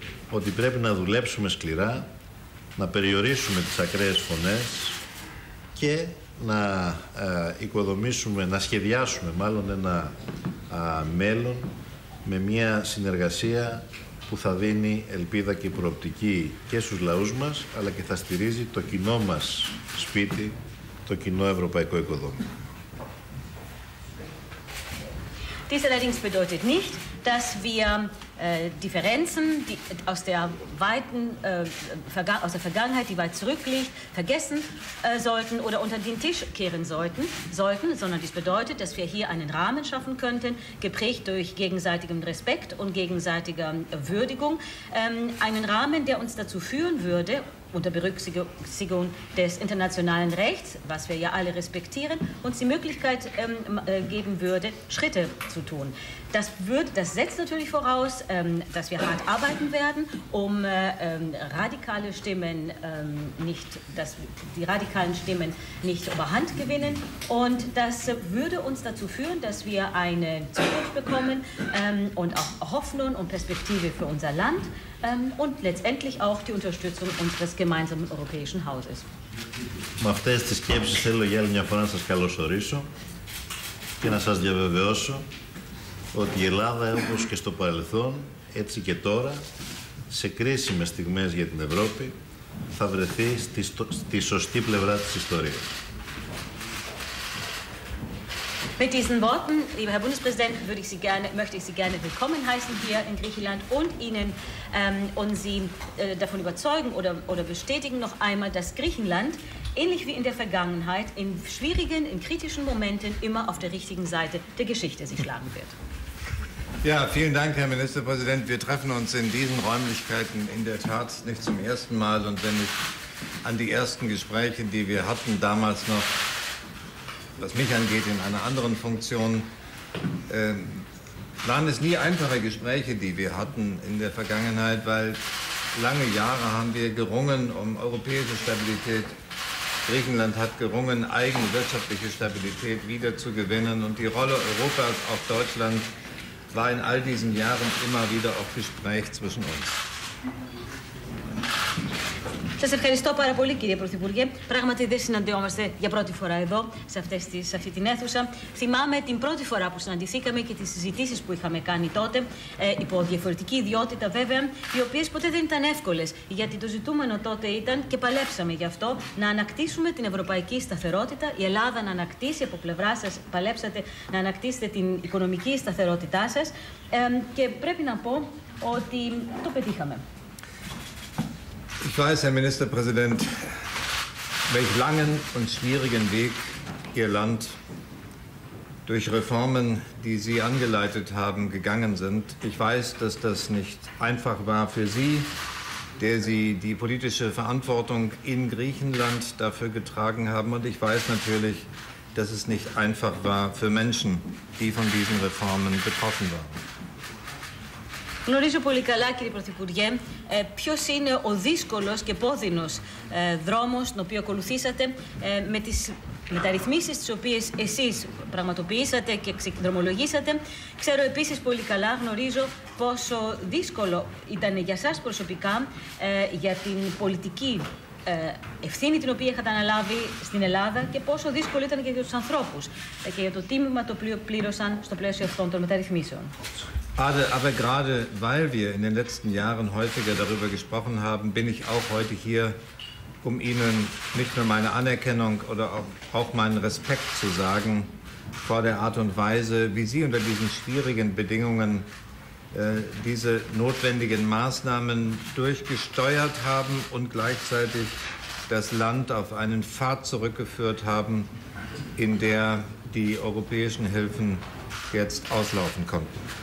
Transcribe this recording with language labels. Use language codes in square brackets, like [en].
[el] ότι πρέπει να δουλέψουμε σκληρά, να περιορίσουμε τις ακραίες φωνές και να οικοδομήσουμε, να σχεδιάσουμε μάλλον ένα μέλλον με μια συνεργασία που θα δίνει ελπίδα και προοπτική και στους λαούς μας, αλλά και θα στηρίζει το κοινό μας σπίτι, το κοινό ευρωπαϊκό οικοδόμημα. [de] Dies allerdings bedeutet nicht, dass wir Differenzen, die aus der weiten aus der Vergangenheit, die weit zurückliegt, vergessen sollten oder unter den Tisch kehren sollten, sondern dies bedeutet, dass wir hier einen Rahmen schaffen könnten, geprägt durch gegenseitigen Respekt und gegenseitiger Würdigung, einen Rahmen, der uns dazu führen würde, unter Berücksichtigung des internationalen Rechts, was wir ja alle respektieren, uns die Möglichkeit geben würde, Schritte zu tun. Das setzt natürlich voraus, dass wir hart arbeiten werden, um radikale Stimmen nicht, dass die radikalen Stimmen nicht überhand gewinnen. Und das würde uns dazu führen, dass wir eine Zukunft bekommen und auch Hoffnung und Perspektive für unser Land und letztendlich auch die Unterstützung unseres gemeinsamen europäischen Hauses. Mit diesen Gedanken möchte ich Ihnen noch einmal ganz herzlich begrüßen und Ihnen bestätigen, [el] ότι η Ελλάδα, όπως και στο παρελθόν, έτσι και τώρα, σε κρίσιμες στιγμές για την Ευρώπη, θα βρεθεί στη σωστή πλευρά της ιστορίας. [de] Mit diesen Worten, lieber Herr Bundespräsident, möchte ich Sie gerne willkommen heißen hier in Griechenland und Ihnen und Sie davon überzeugen oder bestätigen noch einmal, dass Griechenland, ähnlich wie in der Vergangenheit, in schwierigen, in kritischen Momenten immer auf der richtigen Seite der Geschichte sich schlagen wird. Ja, vielen Dank, Herr Ministerpräsident. Wir treffen uns in diesen Räumlichkeiten in der Tat nicht zum ersten Mal. Und wenn ich an die ersten Gespräche, die wir hatten, damals noch, was mich angeht, in einer anderen Funktion, waren es nie einfache Gespräche, die wir hatten in der Vergangenheit, weil lange Jahre haben wir gerungen um europäische Stabilität. Griechenland hat gerungen, eigene wirtschaftliche Stabilität wieder zu gewinnen. Und die Rolle Europas auf Deutschland war in all diesen Jahren immer wieder auch Gespräch zwischen uns. [el] Σας ευχαριστώ πάρα πολύ, κύριε Πρωθυπουργέ. Πράγματι, δεν συναντιόμαστε για πρώτη φορά εδώ, σε αυτή την αίθουσα. Θυμάμαι την πρώτη φορά που συναντηθήκαμε και τις συζητήσεις που είχαμε κάνει τότε, υπό διαφορετική ιδιότητα βέβαια, οι οποίες ποτέ δεν ήταν εύκολες, γιατί το ζητούμενο τότε ήταν και παλέψαμε γι' αυτό να ανακτήσουμε την ευρωπαϊκή σταθερότητα, η Ελλάδα να ανακτήσει από πλευρά σας, παλέψατε να ανακτήσετε την οικονομική σταθερότητά σας. Και πρέπει να πω ότι το πετύχαμε. [de] Ich weiß, Herr Ministerpräsident, welch langen und schwierigen Weg Ihr Land durch Reformen, die Sie angeleitet haben, gegangen sind. Ich weiß, dass das nicht einfach war für Sie, der Sie die politische Verantwortung in Griechenland dafür getragen haben. Und ich weiß natürlich, dass es nicht einfach war für Menschen, die von diesen Reformen betroffen waren. [el] Γνωρίζω πολύ καλά, κύριε Πρωθυπουργέ, ποιος είναι ο δύσκολος και πόδινος δρόμος τον οποίο ακολουθήσατε με τα ρυθμίσεις τις οποίες εσείς πραγματοποιήσατε και ξεδρομολογήσατε. Ξέρω επίσης πολύ καλά, γνωρίζω πόσο δύσκολο ήταν για σας προσωπικά, για την πολιτική ευθύνη την οποία είχατε αναλάβει στην Ελλάδα και πόσο δύσκολο ήταν και για τους ανθρώπους και για το τίμημα το οποίο πλήρωσαν στο πλαίσιο αυτών των μεταρρυθμίσεων. [de] Aber gerade weil wir in den letzten Jahren häufiger darüber gesprochen haben, bin ich auch heute hier, um Ihnen nicht nur meine Anerkennung oder auch meinen Respekt zu sagen vor der Art und Weise, wie Sie unter diesen schwierigen Bedingungen diese notwendigen Maßnahmen durchgesteuert haben und gleichzeitig das Land auf einen Pfad zurückgeführt haben, in der die europäischen Hilfen jetzt auslaufen konnten.